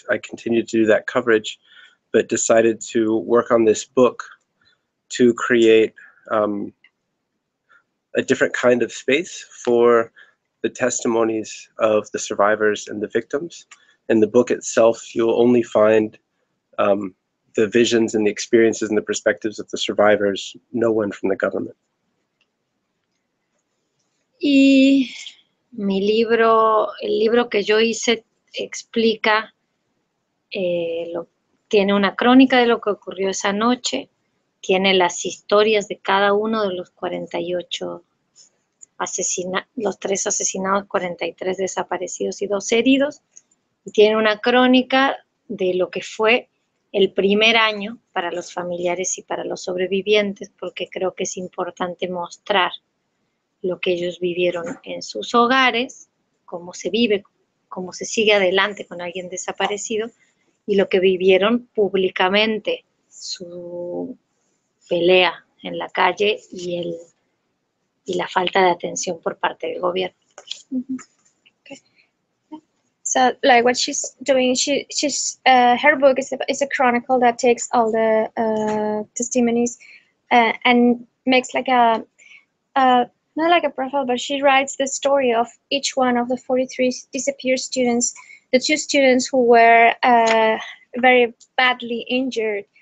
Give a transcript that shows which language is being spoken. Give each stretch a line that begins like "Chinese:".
English: I continued to do that coverage, but decided to work on this book to create a different kind of space for the testimonies of the survivors and the victims. In the book itself, you'll only find the visions and the experiences and the perspectives of the survivors, no one from the government.
Spanish: Y mi libro, el libro que yo hice, explica, tiene una crónica de lo que ocurrió esa noche, tiene las historias de cada uno de los 48 los tres asesinados, 43 desaparecidos y dos heridos, y tiene una crónica de lo que fue el primer año para los familiares y para los sobrevivientes, porque creo que es importante mostrar lo que ellos vivieron en sus hogares, cómo se vive, cómo se sigue adelante con alguien desaparecido y lo que vivieron públicamente, su pelea en la calle y la falta de atención por parte del gobierno.
English: So, like what she's doing, she's her book is a chronicle that takes all the testimonies and makes like a not like a profile, but she writes the story of each one of the 43 disappeared students, the two students who were very badly injured,